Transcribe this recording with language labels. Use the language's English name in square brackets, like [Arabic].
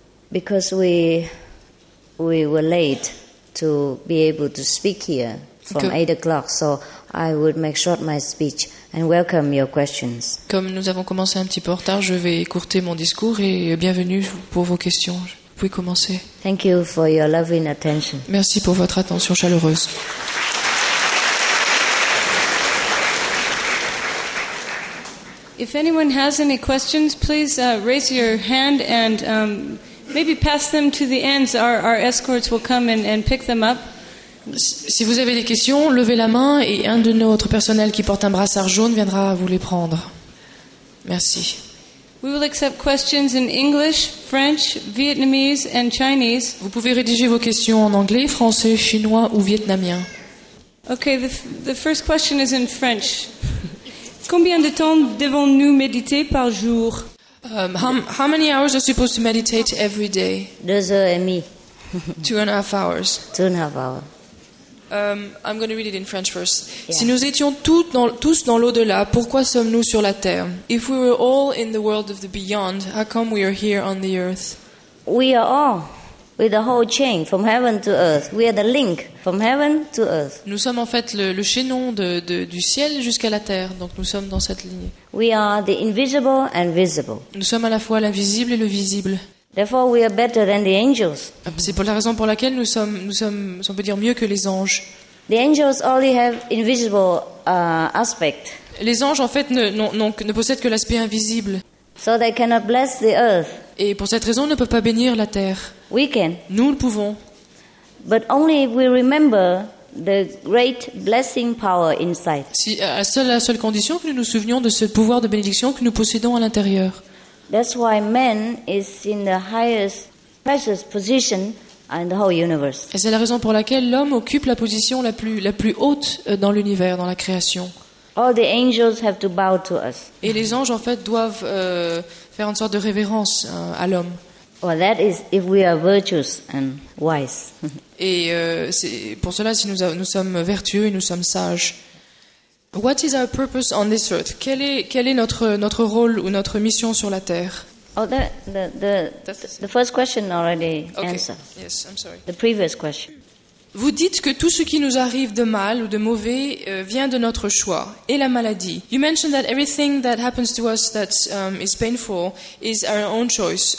[English] Because we were late to be able to speak here from 8 o'clock, so I would make short my speech and welcome your questions. [French] Comme nous avons commencé un petit peu en retard, je vais écourter mon discours et bienvenue pour vos questions. Vous pouvez commencer. [English] Thank you for your loving attention. [French] Merci pour votre attention chaleureuse. [English] If anyone has any questions, please raise your hand and maybe pass them to the ends. Our escorts will come and pick them up. [French] Si vous avez des questions, levez la main et un de notre personnel qui porte un brassard jaune viendra vous les prendre. Merci. [English] We will accept questions in English, French, Vietnamese and Chinese. [French] Vous pouvez rédiger vos questions en anglais, français, chinois ou vietnamien. [English] Okay, the first question is in French. [French] Combien de temps devons-nous méditer par jour? [English] How many hours are supposed to meditate every day? [French] 2 heures et demie. [English] 2.5 hours. 2.5 hours. I'm going to read it in French first. Yeah. [French] Si nous étions tous dans l'au-delà, pourquoi sommes-nous sur la terre? [English] If we were all in the world of the beyond, how come we are here on the earth? We are all. With the whole chain from heaven to earth, we are the link from heaven to earth. [French] Nous sommes en fait le chaînon du ciel jusqu'à la terre, donc nous sommes dans cette ligne. [English] We are the invisible and visible. [French] Nous sommes à la fois l'invisible et le visible. [English] Therefore, we are better than the angels. [French] C'est pour la raison pour laquelle nous sommes, on peut dire mieux que les anges. [English] The angels only have invisible aspect. [French] Les anges en fait ne possèdent que l'aspect invisible. [English] So they cannot bless the earth. [French] Et pour cette raison, ils ne peuvent pas bénir la terre. [English] We can. [French] Nous le pouvons. [English] But only if we remember the great blessing power inside. [French] Si à la seule condition que nous nous souvenions de ce pouvoir de bénédiction que nous possédons à l'intérieur. [English] That's why man is in the highest precious position in the whole universe. [French] Et c'est la raison pour laquelle l'homme occupe la position la plus haute dans l'univers, dans la création. [English] All the angels have to bow to us. [French] Et les anges en fait doivent faire une sorte de révérence à l'homme. [English] Well, that is if we are virtuous and wise. [French] Et c'est pour cela si nous sommes vertueux et nous sommes sages. [English] What is our purpose on this earth? [French] Quel est notre rôle ou notre mission sur la terre? [English] Oh, the first question already answered. Okay. Yes, I'm sorry. The previous question. [French] Vous dites que tout ce qui nous arrive de mal ou de mauvais vient de notre choix et la maladie. [English] You mentioned that everything that happens to us that is painful is our own choice.